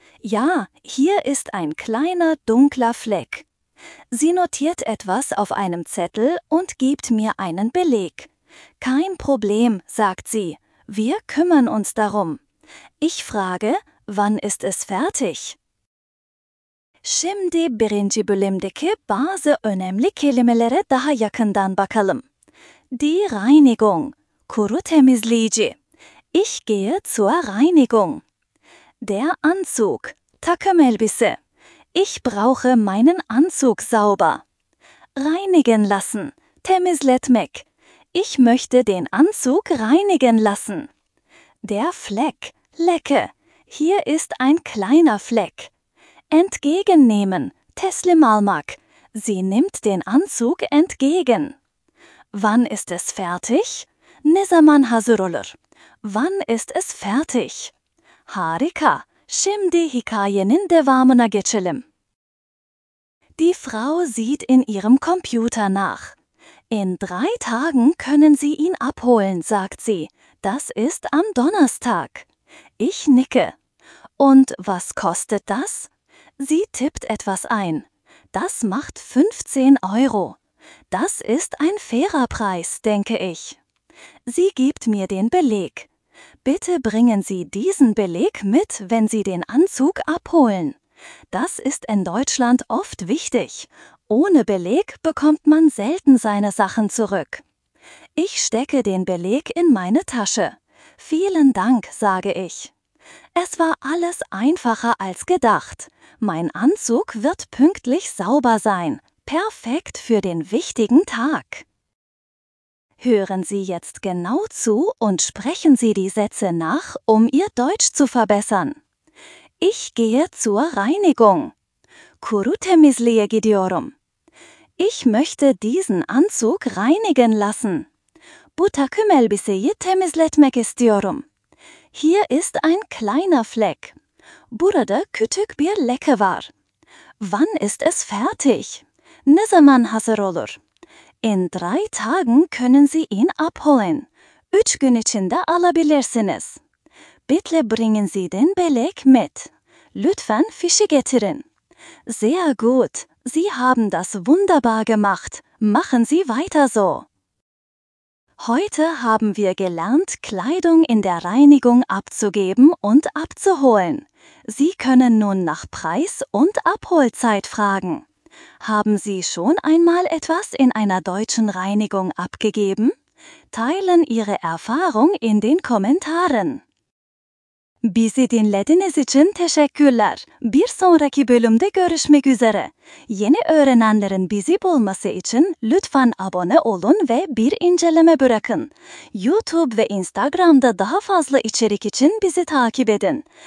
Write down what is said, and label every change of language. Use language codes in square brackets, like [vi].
[de] Ja, hier ist ein kleiner, dunkler Fleck. Sie notiert etwas auf einem Zettel und gibt mir einen Beleg. Kein Problem, sagt sie. Wir kümmern uns darum. Ich frage, wann ist es fertig? [tr] Şimdi birinci bölümdeki bazı önemli kelimelere daha yakından bakalım. [de] Die Reinigung. [tr] Kuru temizleyici. [de] Ich gehe zur Reinigung. Der Anzug. [tr] Takım elbise. [de] Ich brauche meinen Anzug sauber. Reinigen lassen. [tr] Temizletmek. [de] Ich möchte den Anzug reinigen lassen. Der Fleck. [tr] Lecke. [de] Hier ist ein kleiner Fleck. Entgegennehmen. [tr] Teslim almak. [de] Sie nimmt den Anzug entgegen. Wann ist es fertig? [tr] Ne zaman hazır olur? [de] Wann ist es fertig? [tr] Harika. Şimdi hikayenin devamına geçelim. [de] Die Frau sieht in ihrem Computer nach. In 3 Tagen können Sie ihn abholen, sagt sie. Das ist am Donnerstag. Ich nicke. Und was kostet das? Sie tippt etwas ein. Das macht 15 Euro. Das ist ein fairer Preis, denke ich. Sie gibt mir den Beleg. Bitte bringen Sie diesen Beleg mit, wenn Sie den Anzug abholen. Das ist in Deutschland oft wichtig. Ohne Beleg bekommt man selten seine Sachen zurück. Ich stecke den Beleg in meine Tasche. Vielen Dank, sage ich. Es war alles einfacher als gedacht. Mein Anzug wird pünktlich sauber sein. Perfekt für den wichtigen Tag. Hören Sie jetzt genau zu und sprechen Sie die Sätze nach, um Ihr Deutsch zu verbessern. Ich gehe zur Reinigung. [tr] Kuru temizliğe gidiyorum. [de] Ich möchte diesen Anzug reinigen lassen. [tr] Bu takım elbiseyi temizletmek istiyorum. [de] Hier ist ein kleiner Fleck. [tr] Burada küçük bir leke var. [de] Wann ist es fertig? [tr] Ne zaman hazır olur? [de] In 3 Tagen können Sie ihn abholen. [tr] 3 gün içinde alabilirsiniz. [de] Bitte bringen Sie den Beleg mit. [tr] Lütfen fişi getirin. [de] Sehr gut. Sie haben das wunderbar gemacht. Machen Sie weiter so. Heute haben wir gelernt, Kleidung in der Reinigung abzugeben und abzuholen. Sie können nun nach Preis und Abholzeit fragen. Haben Sie schon einmal etwas in einer deutschen Reinigung abgegeben? Teilen Ihre Erfahrung in den Kommentaren. [tr] Bizi dinlediğiniz için teşekkürler. Bir sonraki bölümde görüşmek üzere. Yeni öğrenenlerin bizi bulması için lütfen abone olun ve bir inceleme bırakın. YouTube ve Instagram'da daha fazla içerik için bizi takip edin.